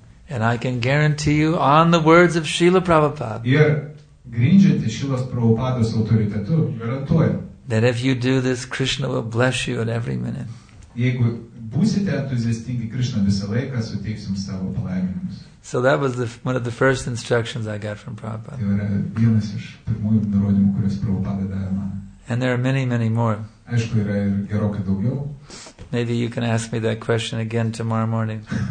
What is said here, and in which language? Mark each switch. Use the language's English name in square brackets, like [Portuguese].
[English] And I can guarantee you on the words of Srila Prabhupada. [Lithuanian] Ir grindžiantis Srilos Prabhupados autoritetu, garantuoju. [English] That if you do this, Krishna will bless you at every minute. [Lithuanian] Jeigu būsite entuziastingi, Krishna visą laiką suteiks jums savo palaiminimus. [English] So that was one of the first instructions I got from Prabhupada. [Lithuanian] Tai yra vienas iš pirmųjų nurodymų, kuriuos Prabhupada davė man. [English] And there are many, many more. [Lithuanian] Aišku, yra ir gerokai daugiau. [English] Maybe you can ask me that question again tomorrow morning.